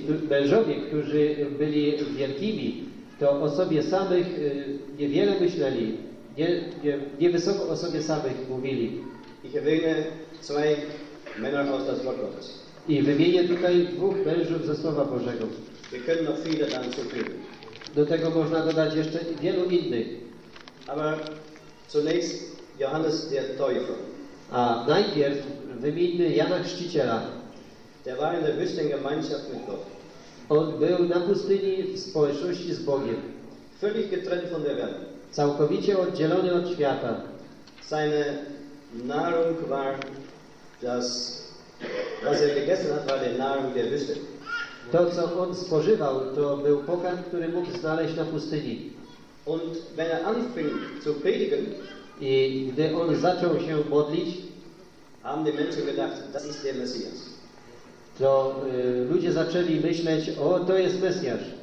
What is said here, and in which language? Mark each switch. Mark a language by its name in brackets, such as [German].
[Polish] Mężowie, którzy byli wielkimi, to o sobie samych niewiele myśleli, nie wysoko o sobie samych mówili. [German] Ich erwähne zwei Männer aus das Wort Gottes. [Polish] I wymienię tutaj dwóch mężów ze Słowa Bożego. [German] Wir können noch viele dazu finden. [Polish] Do tego można dodać jeszcze wielu innych. [German] Aber zunächst Johannes der Täufer. [Polish] A najpierw wymienimy Jana Chrzciciela. [German] Der war in der Wüstengemeinschaft mit Gott. [Polish] On był na pustyni w społeczności z Bogiem. [German] Völlig getrennt von der Welt. [Polish] Całkowicie oddzielony od świata. [German] Seine Nahrung war das, was gegessen hat, war die Nahrung der Wüste. [Polish] To, co on spożywał, to był pokarm, który mógł znaleźć na pustyni. [German] Und wenn anfing zu predigen, [Polish] i gdy on zaczął się modlić, [German] haben die Menschen gedacht, das ist der Messias. [Polish] To ludzie zaczęli myśleć, o, to jest Mesjasz.